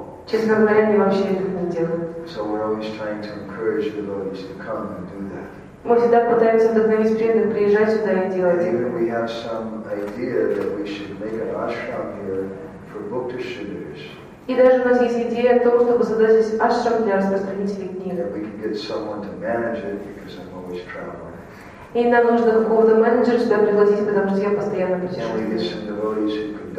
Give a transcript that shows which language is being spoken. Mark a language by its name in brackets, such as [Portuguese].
[Russian] Честно говоря, они вообще этого не делают. [English] So we're always trying to encourage devotees to come and do that. [Russian] Мы всегда пытаемся вдохновить преданных приезжать сюда и делать. [English] Even we have some idea that we should make an ashram here for book distributors. [Russian] И даже у нас есть идея о том, чтобы создать здесь ашрам для распространителей книг. [English] We can get someone to manage it because I'm always traveling. [Russian] И нам нужно какого-то менеджера сюда пригласить, потому что я постоянно путешествую.